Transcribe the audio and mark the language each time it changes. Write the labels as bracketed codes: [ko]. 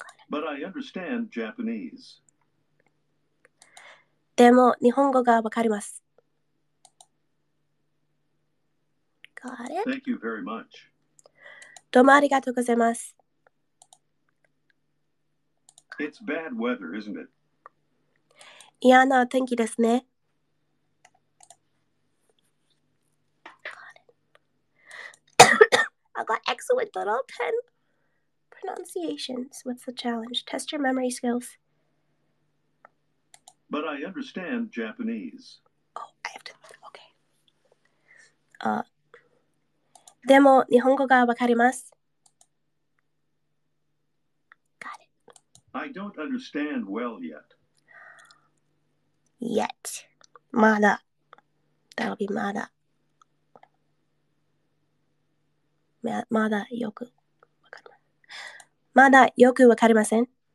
[en] But I understand Japanese. [ja] でも日本語がわかります。 [en] Got it? Thank you very much. [ja] どうもありがとうございます。 [en] It's bad weather, isn't it? [ja] 嫌な天気ですね。 [en] Got it. I got excellent little 10 pronunciations. What's the challenge? Test your memory skills. But I understand Japanese. Oh, I have to. Okay. [ja] でも日本語がわかります。 [en] Got it. I don't understand well yet. Yet. まだ。 That'll be まだ。 [ja] まだよくわかります。まだよくわかりません。